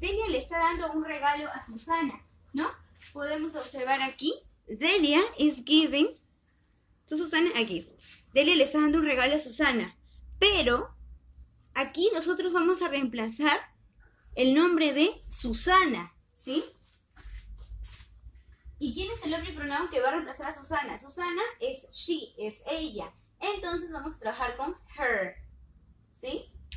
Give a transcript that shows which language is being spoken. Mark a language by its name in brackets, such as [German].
[Spanish] Delia le está dando un regalo a Susana, ¿no? Podemos observar aquí. [English] Delia is giving to Susana a gift. [Spanish] Delia le está dando un regalo a Susana. Pero aquí nosotros vamos a reemplazar el nombre de Susana, ¿sí? ¿Y quién es el hombre pronoun que va a reemplazar a Susana? Susana es she, es ella. Entonces vamos a trabajar con her, ¿sí?